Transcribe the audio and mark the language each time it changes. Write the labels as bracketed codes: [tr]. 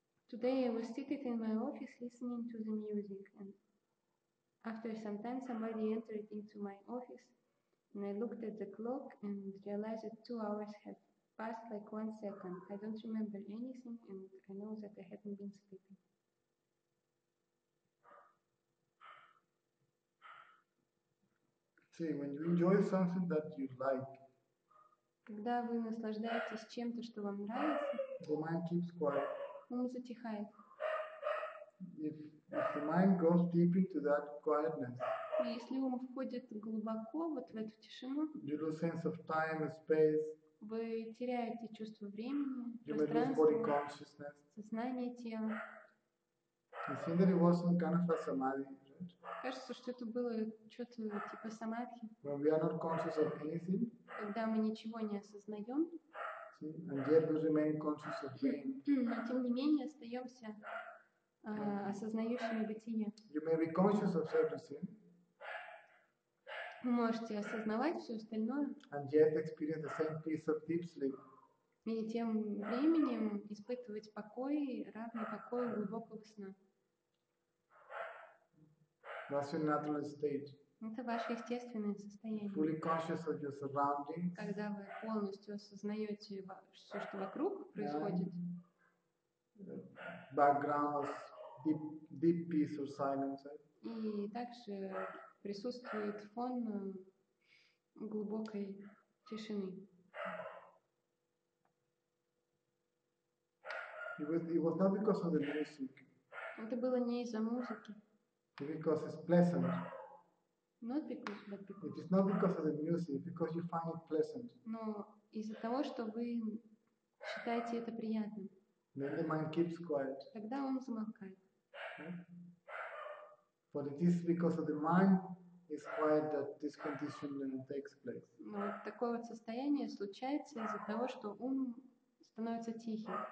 [en] Today I was seated in my office listening to the music, and after some time somebody entered into my office, and I looked at the clock and realized that 2 hours had passed like 1 second. I don't remember anything, and I know that I hadn't been sleeping. See, when you enjoy something that you like, [ru] когда вы наслаждаетесь чем-то, что вам нравится, [en] the mind keeps quiet. [ru] Ум затихает. [en] If the mind goes deep into that quietness, [ru] если ум входит глубоко вот в эту тишину, [en] you lose sense of time and space, [ru] вы теряете чувство времени, пространства, сознание тела. [en] You think that it was some kind of a samadhi, right? [ru] Кажется, что это было что-то типа самадхи. [en] When we are not conscious of anything, [ru] когда мы ничего не осознаем, [en] see, and yet we remain conscious of being. [ru] Но тем не менее остаемся осознающими бытие. [en] You may be conscious of everything. [ru] Вы можете осознавать все остальное. [en] And yet experience the same peace of deep sleep. [ru] И тем временем испытывать покой, равный покой глубокого сна. [en] That's your natural state. [ru] Это ваше естественное состояние. [en] Fully conscious of your surroundings. [ru] Когда вы полностью осознаете все, что вокруг происходит. [en] Background of deep peace or silence. [ru] И также присутствует фон глубокой тишины. [en] It was not because of the music. [ru] Это было не из-за музыки. [en] Because it's pleasant. Not because, but because. It is not because of the music, because you find it pleasant. [ru] Но из-за того, что вы считаете это приятным. [en] Then the mind keeps quiet. [ru] Тогда ум замолкает. [en] But it is because of the mind is quiet that this conditioning takes place. [ru] Но вот такое вот состояние случается из-за того, что ум становится тихим.